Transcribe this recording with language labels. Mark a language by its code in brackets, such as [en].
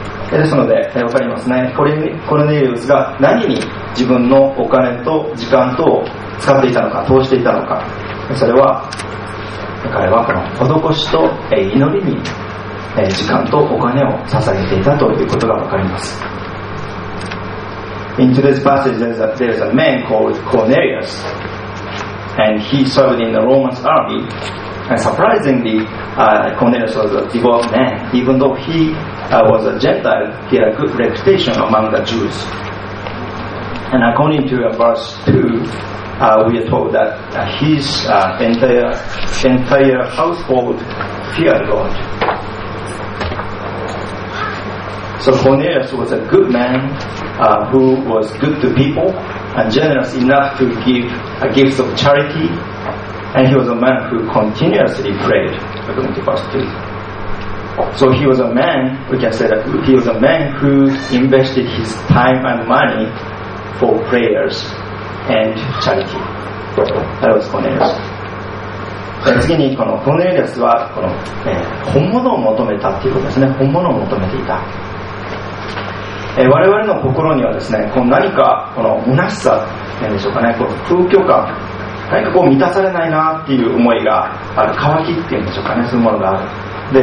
[ja] ですので、わかりますね。コルネリウスが何に自分のお金と時間とを使っていたのか、投じていたのか。それは、彼はこの施しと祈りに時間とお金を捧げていたということがわかります。 [en] In today's passage, there's a man called Cornelius, and he served in the Roman army, Surprisingly, Cornelius was a devout man. Even though he was a Gentile, he had a good reputation among the Jews. And according to verse 2, we are told that his entire household feared God. So Cornelius was a good man who was good to people and generous enough to give gifts of charity. And he was a man who continuously prayed, according to verse 2. So he was a man, we can say that he was a man who invested his time and money for prayers and charity. That was Cornelius. [ja] 次にこのコネリアスはこの、本物を求めたということですね。本物を求めていた。我々の心にはですね、この何かこの虚しさなんでしょうかね、この空虚感、何かこう満たされないなっていう思いがある、渇きっていうんでしょうかね、そういうものがある。